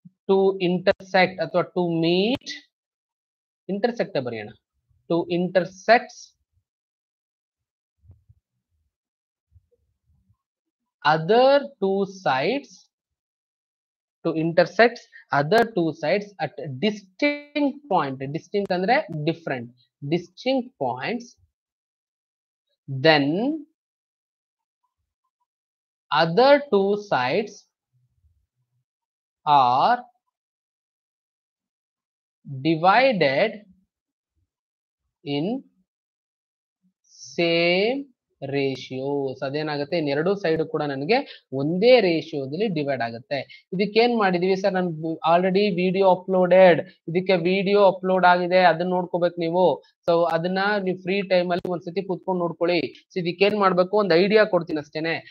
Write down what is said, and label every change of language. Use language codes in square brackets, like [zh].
[en] to intersect [kn] ಅಥವಾ [en] to meet, intersect [kn] ಬರೆಯೋಣ, [en] To intersects other two sides, to intersects other two sides at distinct point. Distinct [kn] ಅಂದ್ರೆ [en] Different, distinct points, then other two sides are divided in same ratio. [kn] ಅದೇನಾಗುತ್ತೆ ಎರಡು side ಕೂಡ ನನಗೆ ಒಂದೇ ರೇಷಿಯೋದಲ್ಲಿ divide ಆಗುತ್ತೆ. ಇದಕ್ಕೆ ಏನ್ ಮಾಡಿದೀವಿ ಸರ್, ನನ್ ಆಲ್ರೆಡಿ ವಿಡಿಯೋ ಅಪ್ಲೋಡೆಡ್, ಇದಕ್ಕೆ ವಿಡಿಯೋ ಅಪ್ಲೋಡ್ ಆಗಿದೆ, ಅದನ್ನ ನೋಡ್ಕೋಬೇಕು ನೀವು. ಸೊ ಅದನ್ನ ನೀವು ಫ್ರೀ ಟೈಮ್ ಅಲ್ಲಿ ಒಂದ್ಸತಿ ಕುತ್ಕೊಂಡು ನೋಡ್ಕೊಳ್ಳಿ. ಸೊ ಇದಕ್ಕೇನ್ ಮಾಡ್ಬೇಕು, ಒಂದ್ ಐಡಿಯಾ ಕೊಡ್ತೀನಿ ಅಷ್ಟೇನೆ.